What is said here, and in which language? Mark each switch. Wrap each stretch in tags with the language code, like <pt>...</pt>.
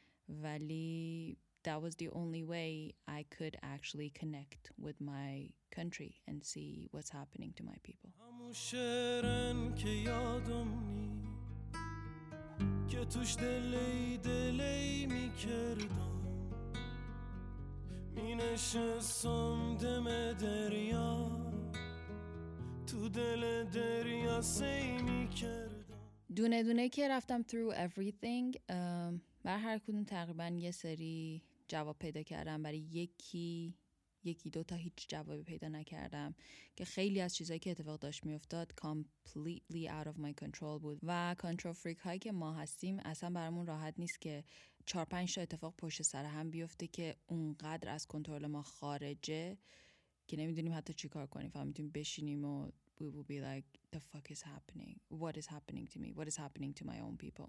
<en>ولی that was the only way I could actually connect with my country and see what's happening to my people.</en> <fa>همون شعرن که یادم نی که توش دلی می کردم، می نشستم دم دریا، تو دل دریا سی می کردم. دونه دونه که رفتم</fa> <en>through everything،</en> <fa>بر هر کدوم تقریبا یه سری جواب پیدا کردم، برای یکی دوتا هیچ جوابی پیدا نکردم که خیلی از چیزایی که اتفاق داشت می افتاد</fa> <en>completely out of my control</en> <fa>بود و control freak هایی که ما هستیم اصلا برامون راحت نیست که 4-5 تا اتفاق پشت سر هم بیفته که اونقدر از کنترل ما خارجه که نمیدونیم حتی چی کار کنیم. فقط میتونیم بشینیم و</fa> <en>we will be like the fuck is happening, what is happening to me, what is happening to my own people.</en>